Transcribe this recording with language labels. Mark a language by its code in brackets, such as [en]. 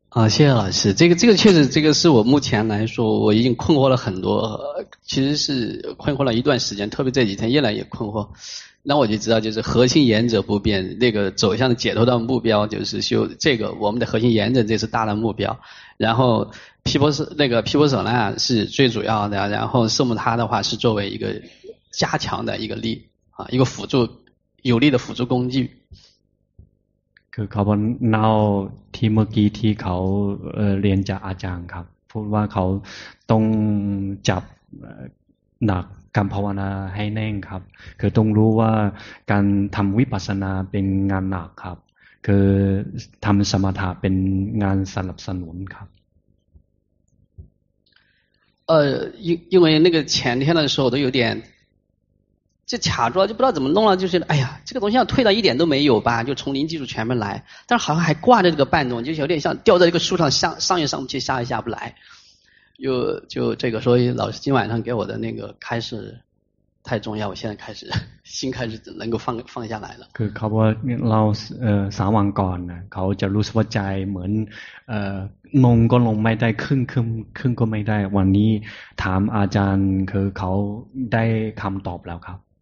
[zh] 谢谢老师这个确实这个是我目前来说我已经困惑了很多其实是困惑了一段时间特别这几天越来越困惑那我就知道就是核心原则不变那个走向解脱的目标就是修这个我们的核心原则这是大的目标然后毗婆舍那个毗婆舍那是最主要的然后圣母他的话是作为一个加强的一个力啊一个辅助有力的辅助工具 [th] คือเขาบอกเราที่เมื่อกี้ที่เขาเรียนจากอาจารย์ครับพูดว่าเขาต้องจับหนักการภาวนาให้แน่งครับคือต้องรู้ว่าการทำวิปัสสนาเป็นงานหนักครับคือทำสมถะเป็นงานสนับสนุนครับ [zh] 因为那个前天的时候都有点就卡住了就不知道怎么弄了就是哎呀这个东西要退到一点都没有吧就从零基础全面来但是好像还挂着这个半动就有点像吊在这个树上上也上不去下也下不来就这个所以老师今晚上给我的那个开始太重要我现在开始心开始能够放下来了 [th] คือเขาบอกเราสามวันก่อนนะเขาจะรู้สึกว่าใจเหมือนลงก็ลงไม่ได้ขึ้นก็ไม่ได้วันนี้ถามอาจารย์คือเขาได้คำตอบแล้วครับ